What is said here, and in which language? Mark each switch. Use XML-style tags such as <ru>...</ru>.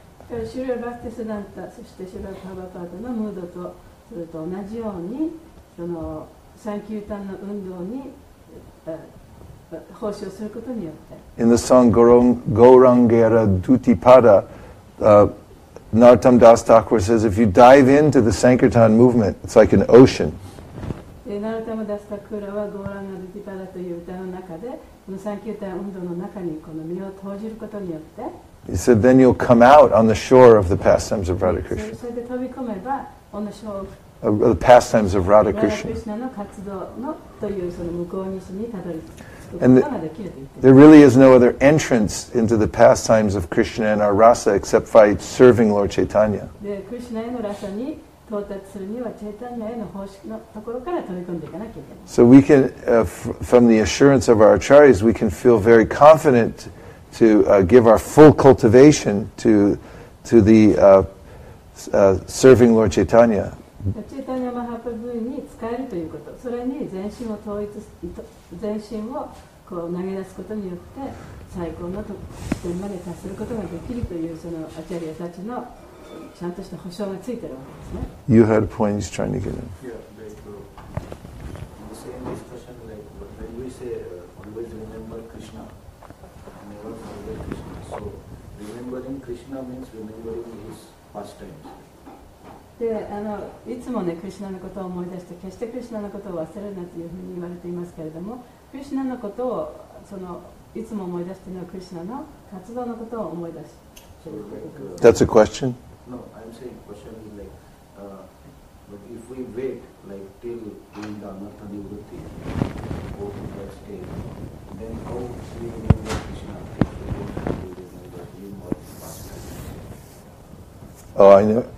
<en>Srila Bhaktisiddhanta and Srila Prabhupada's mood is the same as the Sankirtan movement. In the song Gaurangera Dutipada, Narottam Das Thakur says, if you dive into the Sankirtan movement, it's like an ocean.</en> <ja>ナルタムダスタクーラはゴーランガルティパラという歌の中でこのサンキュータン運動の中にこの身を投じることによって</ja> <en>He said, then you'll come out on the shore of the pastimes of Radha Krishna.</en> <ja>それで飛び込めば、</ja> <en>on the shore of the pastimes of Radha Krishna.</en> <ja>Radha Krishna の活動のというその向こう岸にたどり着くことができると言ってます。</ja> <en>There really is no other entrance into the pastimes of Krishna and our rasa except by serving Lord Chaitanya.</en> <ja>で、クリシュナへのラサに到達するにはチェイタニアへの奉仕のところから飛び込んでいかなきゃいけない。</ja> <en>So we can, from the assurance of our acharyas, we can feel very confident to give our full cultivation to the serving Lord Chaitanya.</en> <ja>チェイタニアマハプラブーに使えるということ、それに全身を統一、全身をこう投げ出すことによって最高の地点まで達することができるというそのアチャリアたちの。ちゃんとした保証がついてるわけですね。</ja> <en>You had a point he's trying to get in. Yeah, like, the same discussion, like, when we say, always remember Krishna, never forget Krishna. So, remembering Krishna means remembering his pastimes.</en> <ja>で、いつもね、クリシュナのことを思い出して、決してクリシュナのことを忘れるなというふうに言われていますけれども、クリシュナのことを、その、いつも思い出しているのはクリシュナの活動のことを思い出す。</ja> <en>That's a question? No, I'm saying question is like, but if we wait, like, till we are not able to go to that state, then how should we remember Krishna? If we don't remember him or his pastimes? Oh, I know.</en>